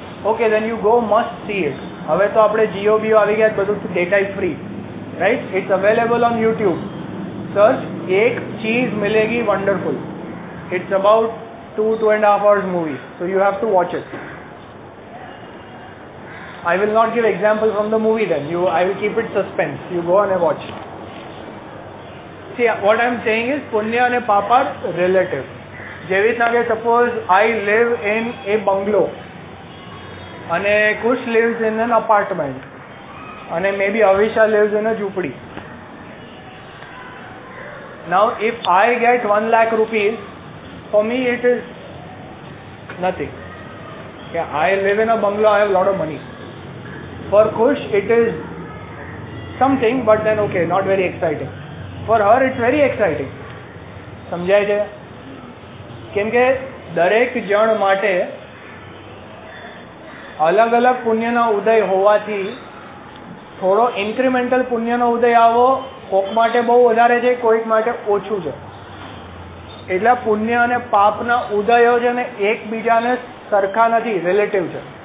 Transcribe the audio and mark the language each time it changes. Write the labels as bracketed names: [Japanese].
[English] Okay, then you go must see it. [Gujarati] હવે તો આપણે જીઓ બીઓ આવી ગયા, બધું [English] Data is free, right? It's available on YouTube. Search [Hindi] એક cheese Milegi [English] Wonderful, it's about two and half hours movie, so you have to watch it. I will not give example from the movie then. You, I will keep it suspense. You go and watch. See, what I am saying is, punya and paap are relative. [Gujarati] Jevitna ke, [English] suppose I live in a bungalow and Kush lives in an apartment and maybe Avisha lives in a jhupadi. Now, if I get 1 lakh rupees, for me it is nothing. Yeah, I live in a bungalow, I have a lot of money. For Kush, it is something, but then okay, not very exciting. For her, it's very exciting. [Gujarati] સમજાય છે? કેમ કે દરેક જણ માટે અલગ અલગ પુણ્યનો ઉદય હોવાથી થોડો ઇન્ક્રીમેન્ટલ પુણ્યનો ઉદય આવો કોક માટે બહુ વધારે છે, કોઈક માટે ઓછું છે. એટલે પુણ્ય અને પાપના ઉદયો છે ને એકબીજાને સરખા નથી, રિલેટિવ છે.